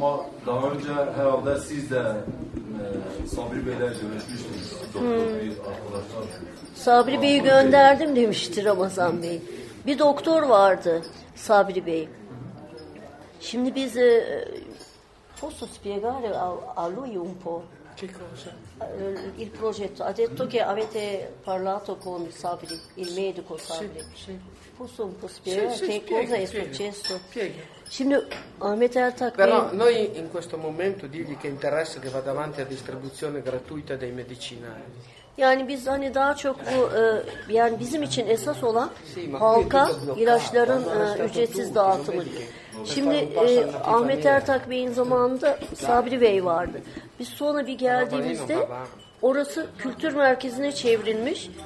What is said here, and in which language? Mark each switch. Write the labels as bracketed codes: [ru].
[tr] Ma daha önce herhalde siz de Sabri Bey'le görüşmüştünüz. Sabri Bey'i gönderdim demişti Ramazan Bey. Bir doktor vardı Sabri Bey. Şimdi biz [it] posso spiegare a lui un po' che cosa il progetto. Ha detto che avete parlato con Sabri, il medico Sabri. Posso un po' spiegare che cosa è successo? [tr] Şimdi Ahmet Ertak Bey. [it] Però noi in questo momento dirgli che interessa che vada avanti la distribuzione gratuita dei medicinali. [tr] Yani biz hani daha çok bu yani bizim için esas olan halka ilaçların ücretsiz dağıtımı. Şimdi Ahmet Ertak Bey'in zamanında Sabri Bey vardı. Biz sonra bir geldiğimizde orası kültür merkezine çevrilmiş.